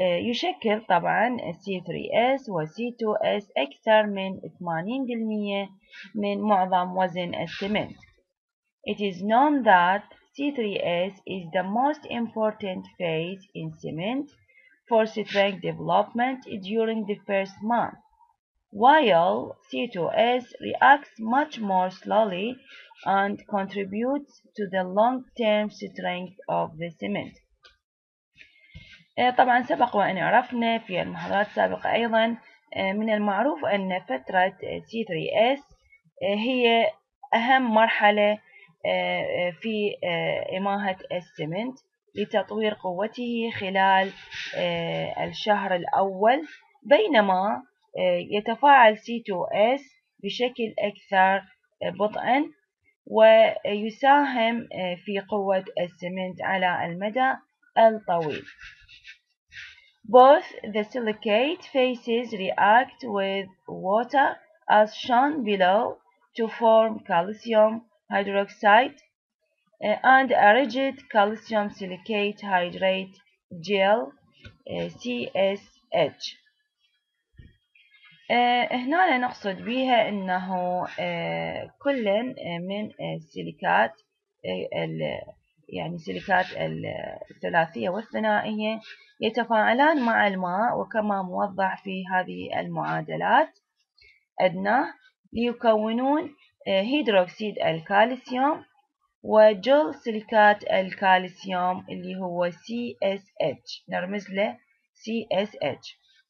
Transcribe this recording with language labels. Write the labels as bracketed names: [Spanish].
[Arabic] يشكل طبعا C3S و C2S أكثر من 80% من معظم وزن السمنت. [English] It is known that C3S is the most important phase in cement for strength development during the first month, while C2S reacts much more slowly and contributes to the long-term strength of the cement. [Arabic] طبعا سبق وأن عرفنا في المحاضرات السابقة أيضا من المعروف أن فترة C3S هي أهم مرحلة في إماهة السمنت لتطوير قوته خلال الشهر الأول، بينما يتفاعل C2S بشكل أكثر بطئا ويساهم في قوة السمنت على المدى الطويل. [English] Both the silicate phases react with water as shown below to form calcium hydroxide and a rigid calcium silicate hydrate gel CSH. [Arabic] هنا نقصد بها انه كل من السيليكات يعني سيليكات الثلاثية والثنائية يتفاعلان مع الماء، وكما موضح في هذه المعادلات أدنى ليكونون هيدروكسيد الكالسيوم وجل سيليكات الكالسيوم اللي هو CSH، نرمز له CSH.